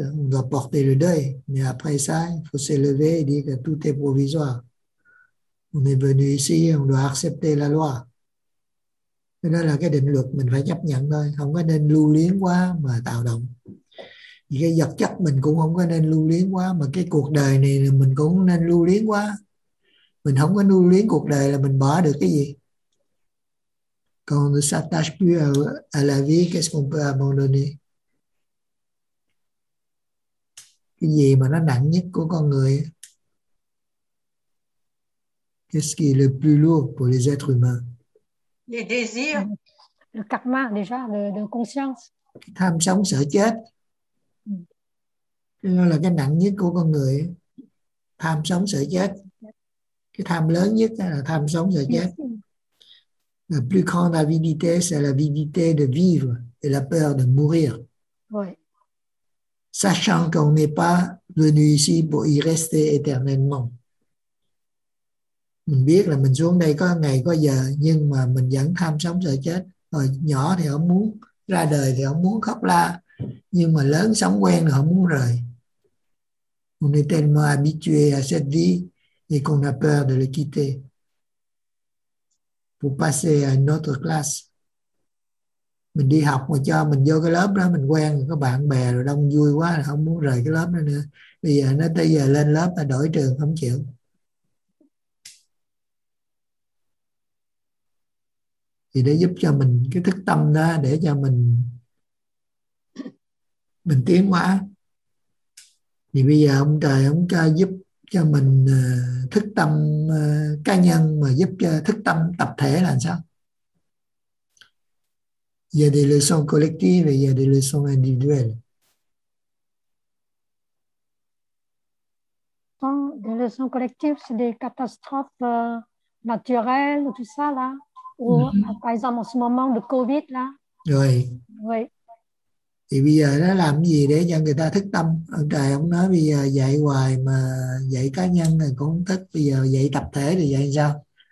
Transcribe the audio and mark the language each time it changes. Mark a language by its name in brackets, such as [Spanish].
[French] On doit porter le deuil. Mais après ça, il faut s'élever et dire que tout est provisoire. On est venu ici, on doit accepter la loi. [Vietnamese] Cái đó là cái định luật mình phải chấp nhận thôi. Không có nên lưu luyến quá mà tạo động. Cái vật chất mình cũng không có nên lưu luyến quá, mà cái cuộc đời này mình cũng nên lưu luyến quá. Mình không có lưu luyến cuộc đời là mình bỏ được cái gì? [French] Quand on ne s'attache plus à la vie, qu'est-ce qu'on peut abandonner? [Vietnamese] Cái gì mà nó nặng nhất của con người? [French] Qu'est-ce qui est le plus lourd pour les êtres humains? Les désirs, le karma déjà, la conscience. [Vietnamese] Tham sống sợ chết. Nó là cái nặng nhất của con người, tham sống sợ chết. Cái tham lớn nhất là tham sống sợ chết. [French] La plus grande avidité, c'est l'avidité de vivre et la peur de mourir. Ouais. Sachant qu'on n'est pas venu ici pour y rester éternellement. [Vietnamese] Mình biết là mình xuống đây có ngày có giờ, nhưng mà mình vẫn tham sống sợ chết. Rồi nhỏ thì không muốn ra đời, thì không muốn khóc la, nhưng mà lớn sống quen rồi không muốn rời. [French] On est tellement habitué à cette vie et qu'on a peur de le quitter pour passer à une autre classe. [Vietnamese] Mình đi học mà cho mình vô cái lớp đó, mình quen rồi, có bạn bè rồi đông vui quá, rồi không muốn rời cái lớp đó nữa. Bây giờ nó tới giờ lên lớp là đổi trường, không chịu. Thì để giúp cho mình cái thức tâm đó, để cho mình tiến hóa. Thì bây giờ ông trời ông cho giúp cho mình thức tâm cá nhân mà giúp cho thức tâm tập thể là sao? [French] Il y a des leçons collectives et il y a des leçons individuelles. Donc, des leçons collectives, c'est des catastrophes naturelles, tout ça, là. Ou, mm-hmm. par exemple, en ce moment, le COVID, là. Oui. Oui. [Vietnamese] Thì bây giờ nó làm cái gì để cho người ta thức tâm? Ông trời ông nói bây giờ dạy hoài mà dạy cá nhân thì cũng không thích. Bây giờ dạy tập thể thì dạy sao?